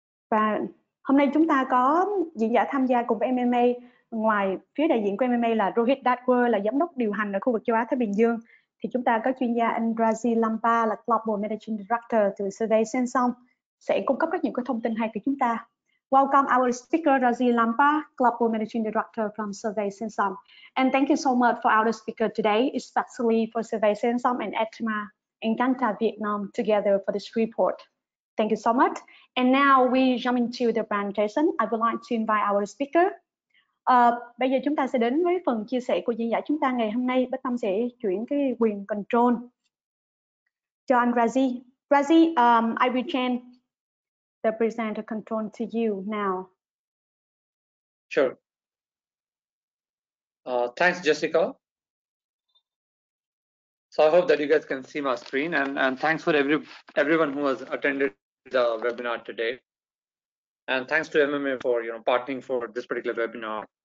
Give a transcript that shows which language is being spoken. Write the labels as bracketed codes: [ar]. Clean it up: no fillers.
[vi] Và hôm nay chúng ta có diễn giả tham gia cùng với MMA, ngoài phía đại diện của MMA là Rohit Dadwal, là giám đốc điều hành ở khu vực châu Á Thái Bình Dương, thì chúng ta có chuyên gia anh Rajiv Lamba là Global Managing Director từ SurveySensum sẽ cung cấp rất nhiều cái thông tin hay của chúng ta. [en] Welcome our speaker Rajiv Lamba, Global Managing Director from SurveySensum, and thank you so much for our speaker today, especially for SurveySensum and Etma in Ganta, Vietnam together for this report. Thank you so much. And now we jump into the presentation. I would like to invite our speaker. [vi] Bây giờ chúng ta sẽ đến với phần chia sẻ của diễn giả chúng ta ngày hôm nay. Bích Tâm sẽ chuyển cái quyền control cho anh Rajiv. [en] Rajiv, I will change the presenter control to you now. Sure. Thanks, Jessica. So I hope that you guys can see my screen, and thanks for everyone who has attended the webinar today, and thanks to MMA for partnering for this particular webinar.